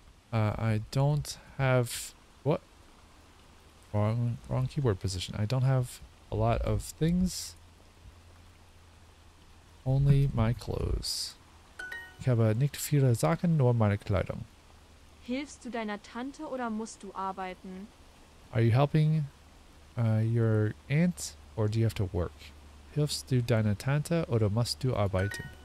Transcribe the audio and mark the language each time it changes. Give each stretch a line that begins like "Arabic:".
English: I don't have what? Wrong keyboard position. I don't have a lot of things. Only my clothes.
German: Ich habe nicht viele Sachen, nur meine Kleidung. Hilfst du deiner Tante oder musst du arbeiten?
English: Are you helping your aunt or do you have to work?
German: Hilfst du deiner Tante oder musst du arbeiten?